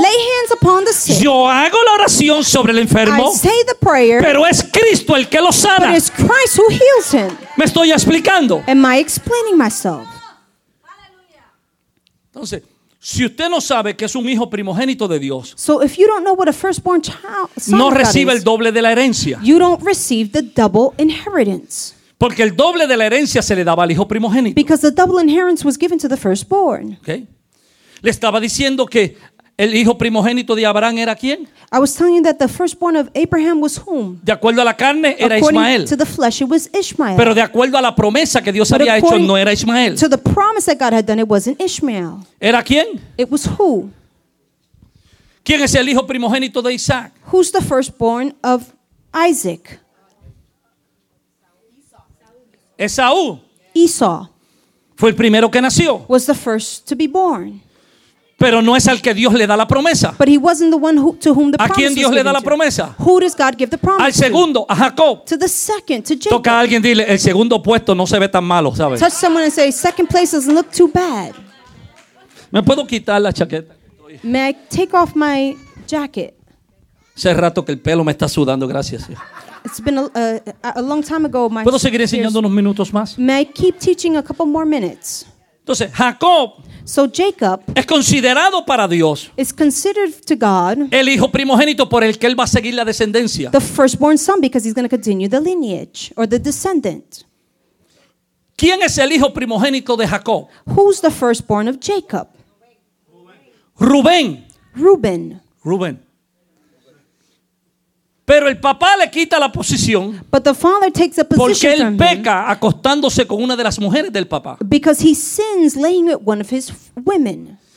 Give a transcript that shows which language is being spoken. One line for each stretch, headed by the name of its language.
English: Lay hands upon the sick.
Spanish: Yo hago la oración sobre el enfermo.
English: I say the prayer,
Spanish: pero es Cristo el que lo sana.
English: But it's Christ who heals him.
Spanish: ¿Me estoy explicando?
English: Am I explaining myself?
Spanish: Entonces, si usted no sabe que es un hijo primogénito de Dios,
English: so if you don't know what a firstborn child son
Spanish: no recibe
English: is,
Spanish: el doble de la herencia.
English: You don't receive the double inheritance.
Spanish: Porque el doble de la herencia se le daba al hijo primogénito.
English: Because the double inheritance was given to the firstborn. Okay.
Spanish: Le estaba diciendo que el hijo primogénito de Abraham era quién?
English: I was telling you that the firstborn of Abraham was whom?
Spanish: De acuerdo a la carne era
English: according
Spanish: Ismael.
English: To the flesh it was Ishmael.
Spanish: Pero de acuerdo a la promesa que Dios
English: But
Spanish: había hecho no era Ismael.
English: To the promise that God had done it wasn't Ishmael.
Spanish: ¿Era quién?
English: It was who?
Spanish: ¿Quién es el hijo primogénito de Isaac?
English: Who's the firstborn of Isaac?
Spanish: Esaú.
English: Esau.
Spanish: Fue el primero que nació.
English: Was the first to be born.
Spanish: Pero no es al que Dios le da la promesa.
English: But he wasn't the one who, to whom the
Spanish: ¿A quién Dios le da
English: to?
Spanish: La promesa?
English: Who does God give the promise
Spanish: Al segundo,
English: to?
Spanish: A Jacob.
English: To the second, to Jacob.
Spanish: Toca a alguien, dile, el segundo puesto no se ve tan malo, ¿sabes?
English: Touch someone and say, second place doesn't look too bad.
Spanish: ¿Me puedo quitar la chaqueta?
English: May I take off my jacket?
Spanish: Hace rato que el pelo me está sudando, gracias.
English: It's been a long time ago. My
Spanish: ¿Puedo seguir enseñando unos minutos más?
English: May I keep teaching a couple more minutes?
Spanish: Entonces, Jacob...
English: So Jacob
Spanish: es considerado para Dios
English: is considered to God
Spanish: el hijo primogénito por el que él va a seguir la descendencia.
English: The firstborn son because he's going to continue the lineage or the descendant.
Spanish: ¿Quién es el hijo primogénito de Jacob?
English: Who's the firstborn of Jacob?
Spanish: Rubén. Rubén. Rubén. Pero el papá le quita la posición porque él peca acostándose con una de las mujeres del papá.
English: Because he sins laying with one of his women.